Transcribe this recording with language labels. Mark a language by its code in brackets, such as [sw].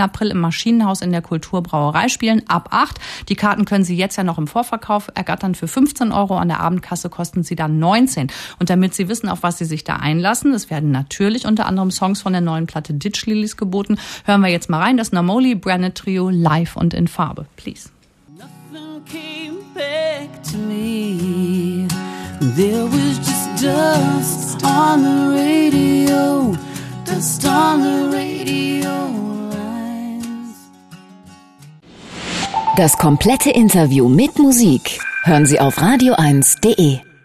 [de] April im Maschinenhaus in der Kulturbrauerei spielen, ab 8. Die Karten können sie jetzt ja noch im Vorverkauf ergattern für 15 €, an der Abendkasse kosten sie dann 19. Und damit sie wissen, auf was sie sich da einlassen, es werden natürlich unter anderem Songs von der neuen Platte Ditch Lilies geboten, hören wir jetzt mal rein, das Namoli Branded Trio live und in Farbe. [en] Please. Nothing came back to me. There was just dust on the radio, dust on the radio lines. [de] Das komplette Interview mit Musik hören Sie auf radio1.de.